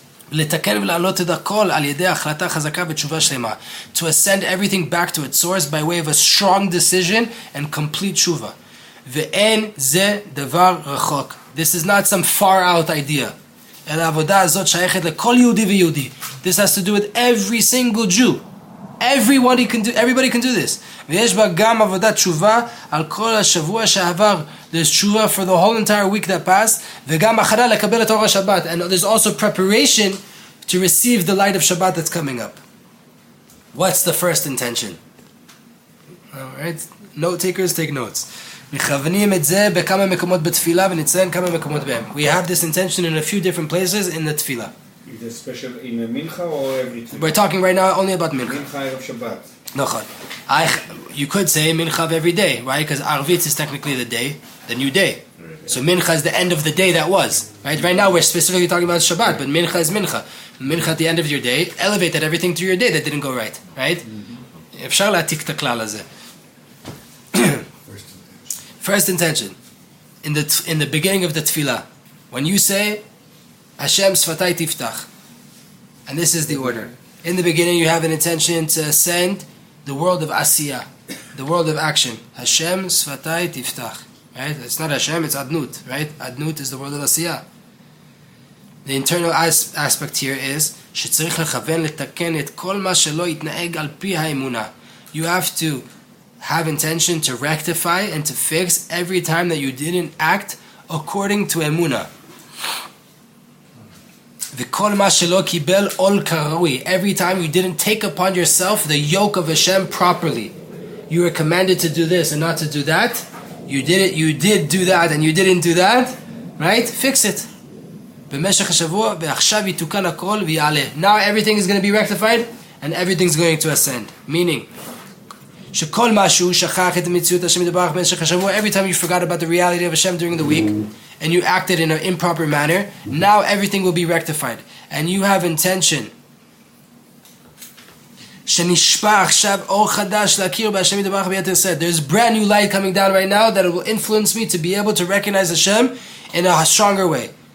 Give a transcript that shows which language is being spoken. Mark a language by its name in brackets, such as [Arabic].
[English] To ascend everything back to its source by way of a strong decision and complete tshuva. This is not some far out idea. This has to do with every single Jew. Everybody can do this. [Hebrew] ויש בה גם עבודת תשובה על כל השבוע שעבר. [English] There's תשובה for the whole entire week that passed. [Hebrew] וגם הכנה לקבל את אור השבת. [English] And there's also preparation to receive the light of Shabbat that's coming up. What's the first intention? Alright, note takers, take notes. [Hebrew] מכוונים את זה בכמה מקומות בתפילה ונציין כמה מקומות בהם. [English] We have this intention in a few different places in the תפילה. Is this special in the Mincha or everything? We're talking right now only about Mincha. Mincha of Shabbat. [Hebrew] Nochad. [English] You could say Mincha of every day, right? Because Arvitz is technically the day, the new day. So Mincha is the end of the day that was. Right? Right now we're specifically talking about Shabbat, but Mincha is Mincha. Mincha at the end of your day, elevate that everything to your day that didn't go right. Right? [Hebrew] Efshar la'atik t'klal hazeh. [English] First intention. In the beginning of the tefillah, when you say, Hashem Sfatai Tiftach. And this is the order. In the beginning, you have an intention to ascend the world of Asiya, the world of action. Hashem Sfatai Tiftach. Right? It's not Hashem, it's Adnut. Right? Adnut is the world of Asiya. The internal aspect here is, [Hebrew] שצריך לכוון לתקן את כל מה שלא יתנהג על פי האמונה. [English] You have to have intention to rectify and to fix every time that you didn't act according to Emunah. [Hebrew] וכל מה שלא קיבל עול כראוי. [English] Every time you didn't take upon yourself the yoke of Hashem properly. You were commanded to do this and not to do that. You did it, you did do that and you didn't do that. Right? Fix it. [Hebrew] במשך השבוע ועכשיו יתוקן הכל ויעלה. [English] Now everything is going to be rectified and everything's going to ascend. Meaning, [Hebrew] שכל משהו שכח את המציאות השם ידברך במשך השבוע. [English] Every time you forgot about the reality of Hashem during the week, and you acted in an improper manner, now everything will be rectified. And you have intention. There's brand new light coming down right now that it will influence me to be able to recognize Hashem in a stronger way.